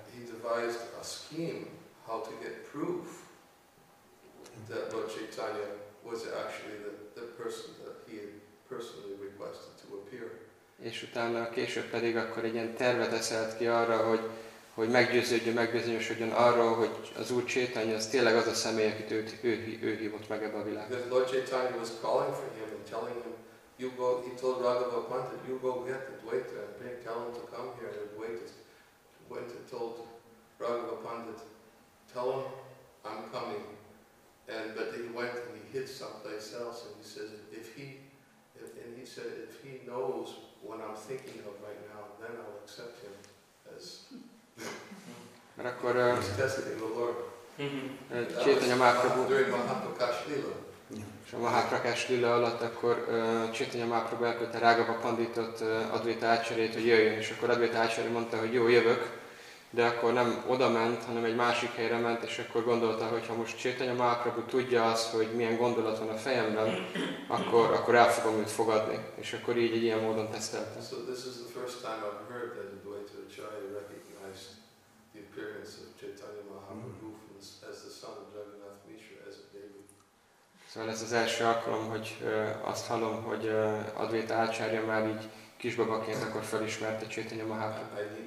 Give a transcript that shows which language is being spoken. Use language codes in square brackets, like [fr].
[en] He devised a scheme how to get proof that Lord Chaitanya was actually the person that he had personally requested to appear. [hu] És utána később pedig akkor egy ilyen tervet eszelt ki arra, hogy megbizonyosodjon arról, hogy az Úr Chaitanya az tényleg az a személy, akit ő hívott meg ebbe a világba. [en] Because Lord Chaitanya was calling for him and telling him, you go, he told Raghava Panta, you go get the Dvaita and bring, tell him to come here. And Dvaita went and told Raghava Panta, tell him I'm coming. And but he went and he hid someplace else and he said if he knows what I'm thinking of right now, then I'll accept him as testing the Lord. Chaitanya Mahaprabhu during Mahaprakash Lila. [hu] És a Mahaprakash Lila alatt akkor Chaitanya Mahaprabhu elküldte Raghava Panditot Advaita Acharyát, hogy jöjjön. És akkor Advaita Acharya mondta, hogy jó, jövök. De akkor nem oda ment, hanem egy másik helyre ment, és akkor gondolta, hogy ha most Chaitanya Mahaprabhu tudja azt, hogy milyen gondolat van a fejemben, akkor el fogom őt fogadni. És akkor így egy ilyen módon teszteltem. [en] So this is the first time I've heard that Advaita Acharya recognized the appearance of Chaitanya Mahaprabhu as the son of Jagannath Mishra as a baby. [hu] Szóval ez az első alkalom, hogy azt hallom, hogy Advaita Acharya már így kisbabaként akkor felismerte Chaitanya Mahaprabhu.